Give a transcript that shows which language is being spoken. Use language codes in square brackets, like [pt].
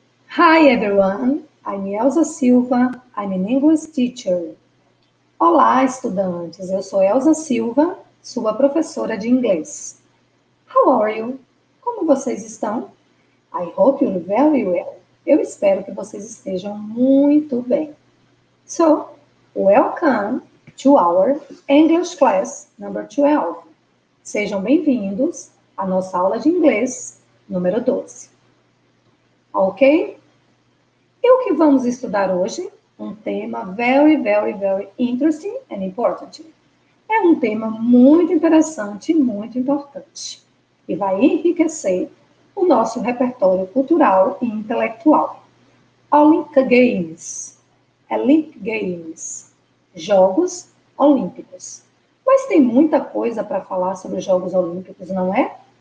[en] Hi everyone, I'm Elsa Silva, I'm an English teacher. [pt] Olá, estudantes, eu sou Elsa Silva, sua professora de inglês. [en] How are you? [pt] Como vocês estão? [en] I hope you're very well. [pt] Eu espero que vocês estejam muito bem. [en] So, welcome to our English class number 12. [pt] Sejam bem-vindos à nossa aula de inglês número 12. [en] Ok? [pt] E o que vamos estudar hoje? Um tema [en] very, very, very interesting and important. [pt] É um tema muito interessante e muito importante. E vai enriquecer o nosso repertório cultural e intelectual. [en] Olympic Games. Olympic Games. [pt] Jogos Olímpicos. Mas tem muita coisa para falar sobre os Jogos Olímpicos, não é?